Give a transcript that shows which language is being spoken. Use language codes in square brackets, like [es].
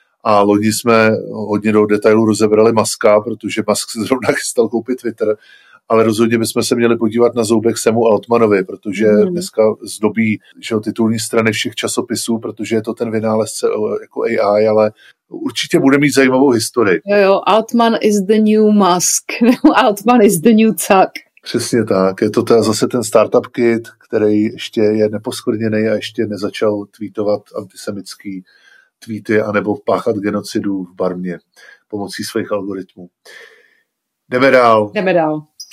[cs] A loni jsme hodně do detailu rozebrali Muska, protože Musk se zrovna chystal koupit Twitter, ale rozhodně bychom se měli podívat na zoubek Samu Altmanovi, protože dneska zdobí, že jo, titulní strany všech časopisů, protože je to ten vynálezce jako AI, ale určitě bude mít zajímavou historii. Jo, jo, [en] Altman is the new Musk, Altman is the new Tuck. [cs] Přesně tak, je to teda zase ten startup kit, který ještě je neposkvrněný a ještě nezačal tweetovat antisemitský tweety anebo páchat genocidu v Barmě pomocí svých algoritmů. Jdeme dál. Jdeme dál.